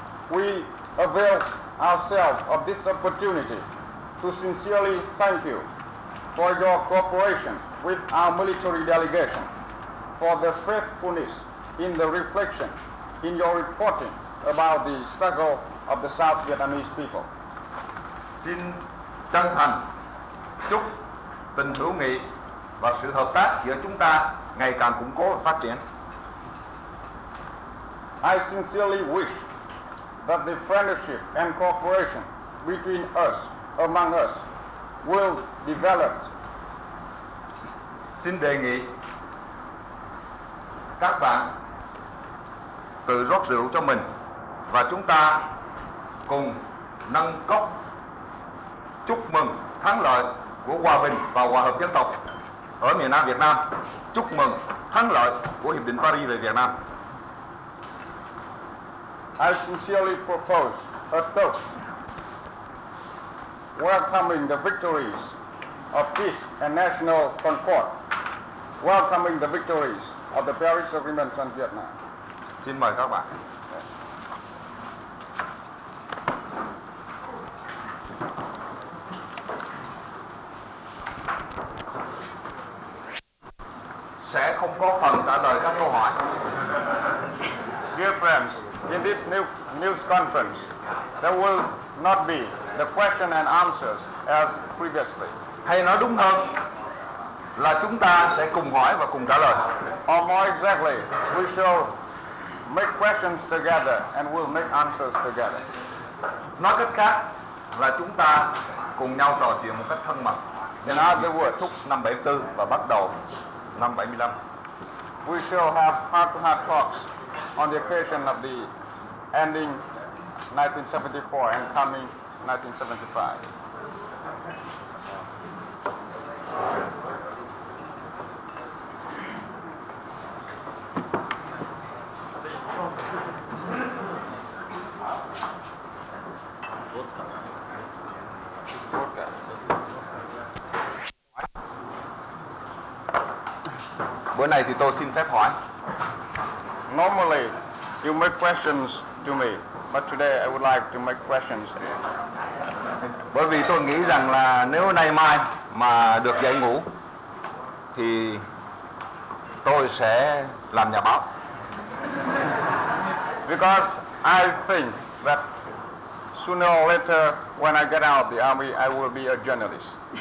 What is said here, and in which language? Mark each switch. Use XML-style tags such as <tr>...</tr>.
<en>we avail ourselves of this opportunity to sincerely thank you for your cooperation with our military delegation, for the faithfulness in the reflection in your reporting about the struggle of the South Vietnamese people.</en> <vi>Xin chân thành chúc tình hữu nghị và sự hợp tác giữa chúng ta ngày càng củng cố và phát triển.</vi> <en>I sincerely wish that the friendship and cooperation between us, among us, will develop.</en> <vi>Xin đề nghị các bạn tự rót rượu cho mình và chúng ta cùng nâng cốc chúc mừng thắng lợi của hòa bình và hòa hợp dân tộc ở miền Nam Việt Nam, chúc mừng thắng lợi của Hiệp định Paris về Việt Nam.</vi> <en>I sincerely propose a toast welcoming the victories of peace and national concord, welcoming the victories of the Paris Agreement on Vietnam.</en> <vi>Xin mời các bạn. Sẽ không có phần trả lời các câu hỏi.</vi> <en>Dear friends, in this new news conference, there will not be the question and answers as previously.</en> <vi>Hay nói đúng hơn là chúng ta sẽ cùng hỏi và cùng trả lời.</vi> <en>Or more exactly, we shall make questions together and we'll make answers together.</en> <vi>Nói cách khác là chúng ta cùng nhau trò chuyện một cách thân mật.</vi> <en>In other words,</en> <vi>kết thúc năm 74 và bắt đầu năm 75.</vi> <en>We shall have heart-to-heart talks on the occasion of the ending 1974 and coming 1975.</en> <vi>Bữa này thì tôi xin phép hỏi.</vi> <en>Normally, you make questions to me, but today I would like to make questions.</en> <vi>Bởi vì tôi nghĩ rằng là nếu nay mai mà được dậy ngủ thì tôi sẽ làm nhà báo.</vi> <en>Because I think that sooner or later when I get out of the army I will be a journalist.</en>